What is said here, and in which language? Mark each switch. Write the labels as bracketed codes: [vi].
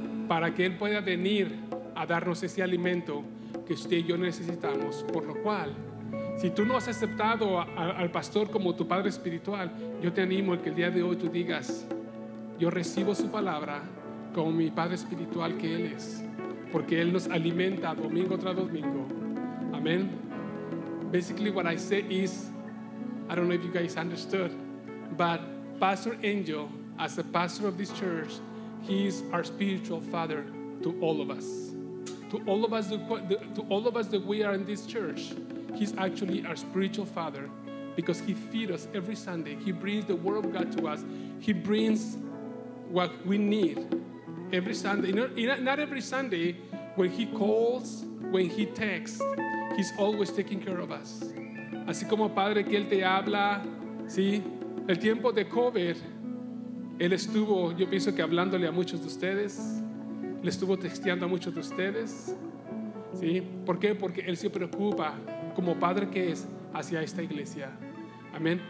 [es] Para que Él pueda venir a darnos ese alimento que usted y yo necesitamos. Por lo cual, si tú no has aceptado al pastor como tu padre espiritual, yo te animo a que el día de hoy tú digas: yo recibo su palabra como mi padre espiritual que Él es, porque Él nos alimenta domingo tras domingo. Amén. [en] Basically, what I say is, I don't know if you guys understood, but Pastor Angel, as the pastor of this church, he is our spiritual father to all of us. To all of us that we are in this church, he's actually our spiritual father, because he feeds us every Sunday. He brings the word of God to us. He brings what we need every Sunday. Not every Sunday, when he calls, when he texts, he's always taking care of us. [es] Así como Padre que Él te habla, ¿sí? El tiempo de COVID, Él estuvo, yo pienso que hablándole a muchos de ustedes, le estuvo texteando a muchos de ustedes, ¿sí? ¿Por qué? Porque Él se preocupa, como Padre que es, hacia esta iglesia. Amén.